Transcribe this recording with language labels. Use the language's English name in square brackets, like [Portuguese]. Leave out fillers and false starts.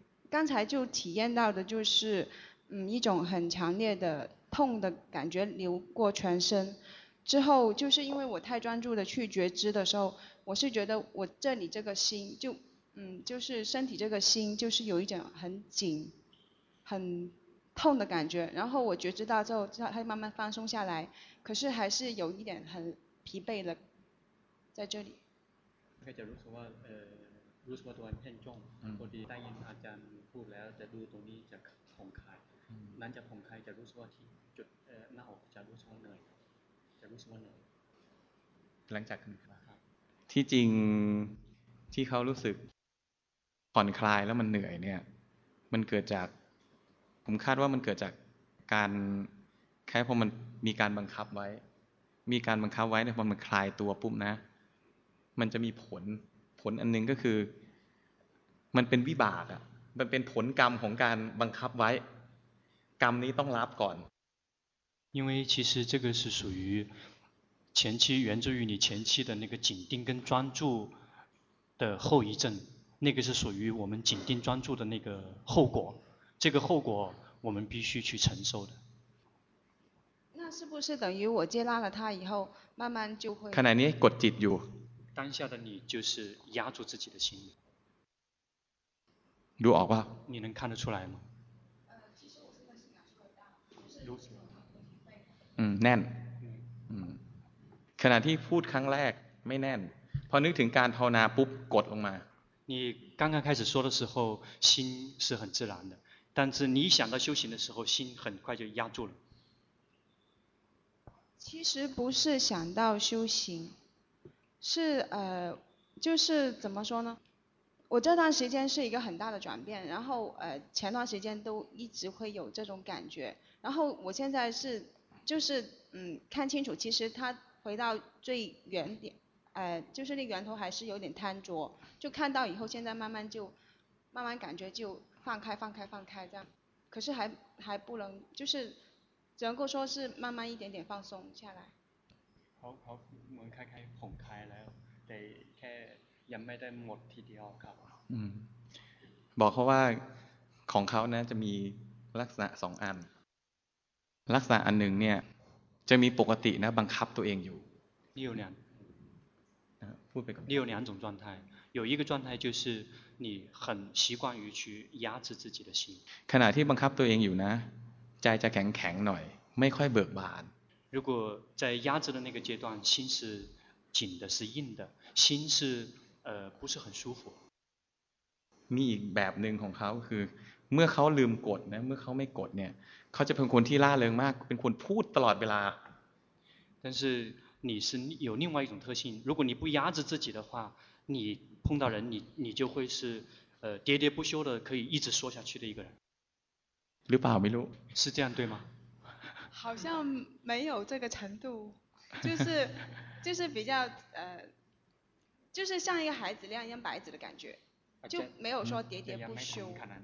[Chinese] 刚才就体验到的就是一种很强烈的痛的感觉流过全身之后就是因为我太专注的去觉知的时候我是觉得我这里这个心就是身体这个心就是有一种很紧很痛的感觉然后我觉知到之后知道它慢慢放松下来可是还是有一点很疲惫的在这里 [Thai] รู้สึกว่าตัวนั้นเพ่งจ้องพอดีได้ยินอาจารย์พูดแล้วจะดูตรงนี้จะผ่องคลายนั้นจะผ่องคลายจะรู้สึกว่าที่จุดหน้าอกจะรู้สึกว่าเหนื่อยจะรู้สึกว่าเหนื่อย หลังจากนี้ครับที่จริงที่เขารู้สึกผ่อนคลายแล้วมันเหนื่อยเนี่ยมันเกิดจากผมคาดว่ามันเกิดจากการแค่พอมันมีการบังคับไว้มีการบังคับไว้เนี่ยพอมันคลายตัวปุ๊บนะมันจะมีผลอันนึงก็คือมันเป็นวิบากอ่ะมันเป็นผลกรรมของการบังคับไว้กรรมนี้ต้องรับก่อน [Chinese] 因为其实这个是属于前期源自于你前期的那个紧盯跟专注的后遗症那个是属于我们紧盯专注的那个后果这个后果我们必须去承受的那是不是等于我接纳了它以后慢慢就会看来你 [Thai] กดจิตอยู่ [Chinese] 当下的你就是压住自己的心 [Thai] ดูออกป่ะ [Chinese] 你能看得出来吗 [Thai] แน่นขณะที่พูดครั้งแรกไม่แน่นพอนึกถึงการภาวนาปุ๊บกดลงมา [Chinese] 你刚刚开始说的时候心是很自然的但是你想到修行的时候心很快就压住了其实不是想到修行是就是怎么说呢我这段时间是一个很大的转变然后前段时间都一直会有这种感觉然后我现在是就是看清楚其实它回到最原点就是那源头还是有点贪着就看到以后现在慢慢感觉就放开这样可是还不能就是只能够说是慢慢一点点放松下来 [Thai] 好เหมือนคล้ายๆผ่องคลายแล้วแต่แค่ยังไม่ได้หมดทีเดียวครับ บอกเขาว่าของเขานะจะมีลักษณะ2อัน ลักษณะอันหนึ่งเนี่ยจะมีปกตินะบังคับตัวเองอยู่ [Chinese] 有两 [Thai] พูดไปก่อน [Chinese] 有两种状态有一个状态就是你很习惯于去压制自己的心 [Thai] ขณะที่บังคับตัวเองอยู่นะใจจะแข็งๆหน่อยไม่ค่อยเบิกบาน [Chinese] 如果在压制的那个阶段心是紧的是硬的心是不是很舒服 [Thai] มีอีกแบบหนึ่งของเขาคือเมื่อเขาลืมกดนะเมื่อเขาไม่กดเนี่ยเขาจะเป็นคนที่ร่าเริงมากเป็นคนพูดตลอดเวลา [Chinese] 但是你是有另外一种特性如果你不压制自己的话你碰到人 你就会是喋喋不休的可以一直说下去的一个人 [Thai] หรือเปล่าไม่รู้ [Chinese] 是这样对吗好像没有这个程度就是比较就是像一个孩子亮一样白纸的感觉就没有说喋喋不休